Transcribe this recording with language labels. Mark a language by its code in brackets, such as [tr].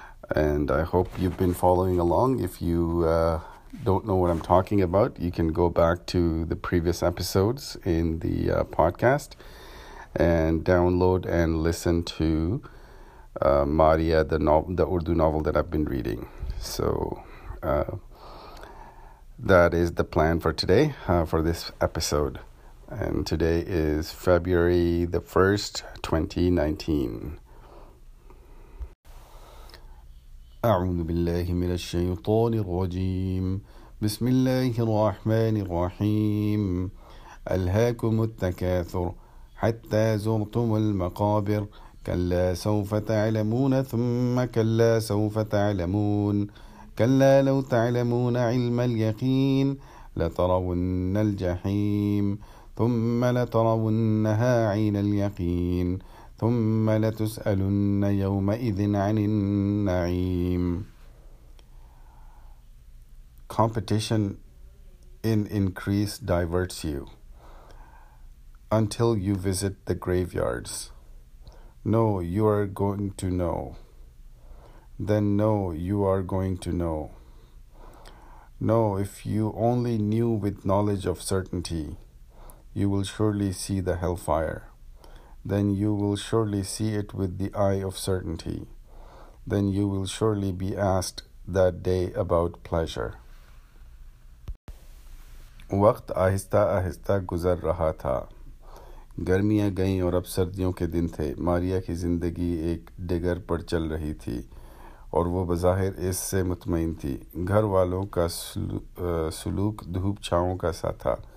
[en] And I hope you've been following along. If you don't know what I'm talking about, you can go back to the previous episodes in the podcast and download and listen to Maria, the Urdu novel that I've been reading. So that is the plan for today, for this episode. And today is February the 1st, 2019. [ar] أعوذ بالله من الشيطان الرجيم بسم الله الرحمن الرحيم ألهاكم التكاثر حتى زرتم المقابر كلا سوف تعلمون ثم كلا سوف تعلمون كلا لو تعلمون علم اليقين لترون الجحيم ثم لترونها عين اليقين ثُمَّ لَتُسْأَلُنَّ يَوْمَئِذٍ عَنِ النَّعِيمِ. [en] Competition in increase diverts you until you visit the graveyards. No, you are going to know. Then no, you are going to know. No, if you only knew with knowledge of certainty, you will surely see the hellfire. Then you will surely see it with the eye of certainty. Then you will surely be asked that day about pleasure. [ur] وقت آہستہ آہستہ گزر رہا تھا، گرمیاں گئیں اور اب سردیوں کے دن تھے. ماریا کی زندگی ایک ڈگر پر چل رہی تھی اور وہ بظاہر اس سے مطمئن تھی. گھر والوں کا سلوک دھوپ چھاؤں کا سا تھا.